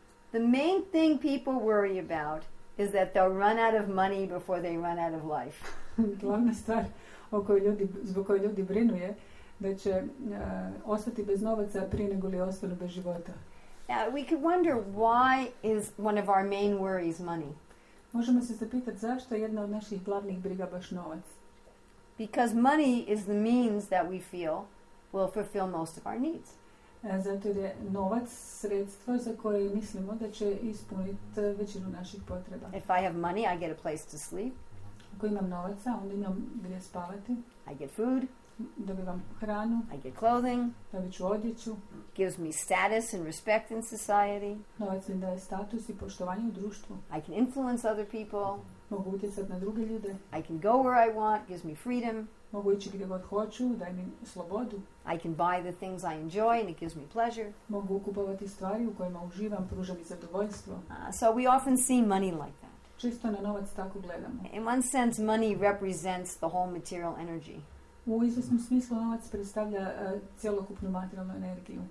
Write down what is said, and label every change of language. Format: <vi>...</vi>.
<en>The main thing people worry about is that they'll run out of money before they run out of life.</en> <hr>Glavna stvar o kojoj ljudi, zbog koje ljudi brinu je da će ostati bez novaca prije nego li ostanu bez života.</hr> <en>Now, we could wonder why is one of our main worries money.</en> <hr>Možemo se zapitati zašto je jedna od naših glavnih briga baš novac.</hr> <en>Because money is the means that we feel will fulfill most of our needs.</en> <hr>Zato je novac sredstvo za koje mislimo da će ispuniti većinu naših potreba.</hr> <en>If I have money, I get a place to sleep.</en> <hr>Ako imam novaca, onda imam gdje spavati.</hr> <en>I get food.</en> <hr>Dobivam hranu.</hr> <en>I get clothing.</en> <hr>Dobiću odjeću.</hr> <en>Gives me status and respect in society.</en> <hr>Novac mi daje status I poštovanje u društvu.</hr> <en>I can influence other people.</en> <hr>Mogu utjecati na druge ljude.</hr> <en>I can go where I want, gives me freedom.</en> <hr>Mogu ići gdje god hoću, daj mi slobodu.</hr> <en>I can buy the things I enjoy and it gives me pleasure.</en> <hr>Mogu kupovati stvari u kojima uživam, pruža mi zadovoljstvo.</hr> <en>So we often see money like that.</en> <hr>Čisto na novac tako gledamo.</hr> <en>In one sense, money represents the whole material energy.</en> <hr>U izvesnom smislu novac predstavlja cjelokupnu materijalnu energiju.</hr>